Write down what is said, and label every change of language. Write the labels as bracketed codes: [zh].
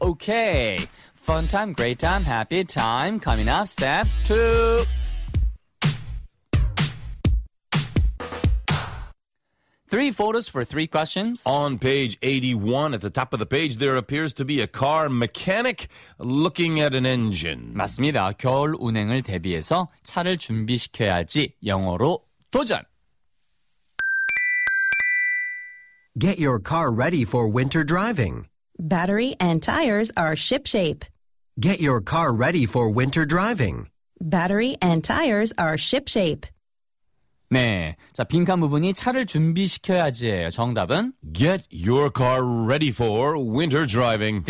[en] Okay, fun time, great time, happy time. Coming up, step two. Three photos for three questions. On page 81, at the top of the page, there appears to be a car mechanic looking at an engine. [ko] 맞습니다. 겨울 운행을 대비해서 차를 준비시켜야지. 영어로 도전! [en] Get your car ready for winter driving. Battery and tires are shipshape. Get your car ready for winter driving. Battery and tires are shipshape. [ko] 네. 자, 빈칸 부분이 차를 준비시켜야지예요. 정답은 [en] Get your car ready for winter driving.